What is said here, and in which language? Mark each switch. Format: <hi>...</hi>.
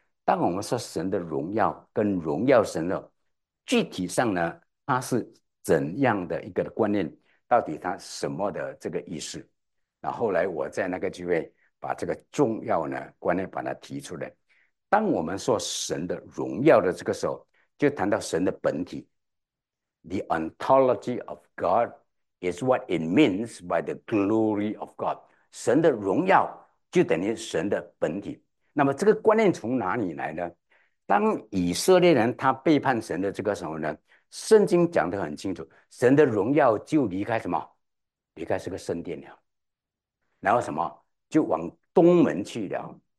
<zh>当我们说神的荣耀跟荣耀神了，具体上呢，它是怎样的一个的观念？到底它什么的这个意思？那后来我在那个聚会把这个重要呢观念把它提出来。当我们说神的荣耀的这个时候，就谈到神的本体。</zh> <en>The ontology of God is what it means by the glory of God。</en> <zh>神的荣耀就等于神的本体。那么这个观念从哪里来呢？当以色列人他背叛神的这个时候呢，圣经讲得很清楚，神的荣耀就离开什么？离开这个圣殿了，然后什么？就往东门去了。</zh>